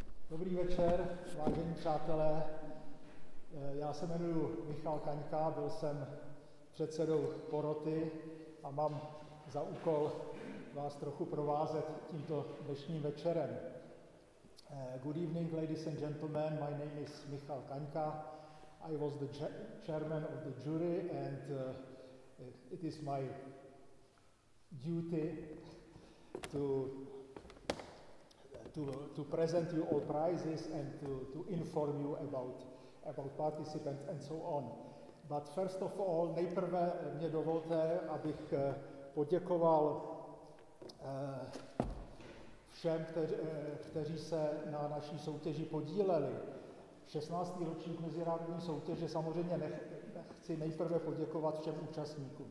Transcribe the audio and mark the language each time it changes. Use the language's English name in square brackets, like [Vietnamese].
[Czech] Dobrý večer, vážení přátelé. Já se jmenuji Michal Kaňka, byl jsem předsedou poroty a mám za úkol vás trochu provázet tímto dnešním večerem. [English] Good evening, ladies and gentlemen. My name is Michal Kaňka. I was the chairman of the jury and it is my duty to present you all prizes and to inform you about participants and so on. But first of all, [Czech] nejprve mě dovolte, abych poděkoval všem, kteří se na naší soutěži podíleli. 16. ročník mezinárodní soutěže samozřejmě chci nejprve poděkovat všem účastníkům.